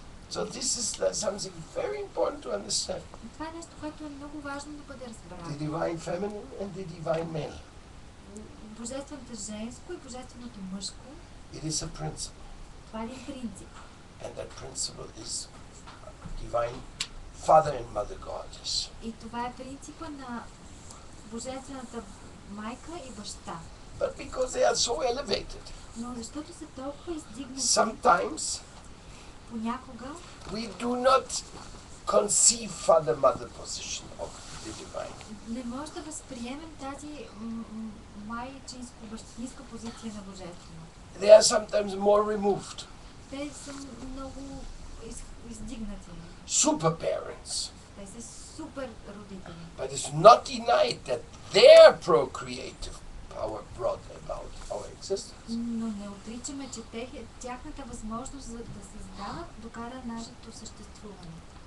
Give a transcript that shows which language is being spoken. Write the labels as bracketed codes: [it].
[en] So this is something very important to understand. [bg] Това е нещо, което е много важно да бъде разбрано. [en] The divine feminine and the divine male. [bg] Божественото женско и божественото мъжко. [en] It is a principle. [bg] Това е принцип. [en] And that principle is divine father and mother goddess. [bg] И това е принципа на божествената майка и баща. [en] But because they are so elevated. [bg] Но защото са толкова издигнати. [en] Sometimes. [bg] Понякога. [en] We do not conceive father-mother position of the divine. [bg] Не може да възприемем тази майчинско-бащинска позиция на Божественото. [en] They are sometimes more removed. [bg] Те са много издигнати. [en] Super parents. [bg] Те са супер родители. [en] But it's not denied that their procreative power brought about our existence. [bg] Но не отричаме, че тяхната възможност за да създават докара нашето съществуване.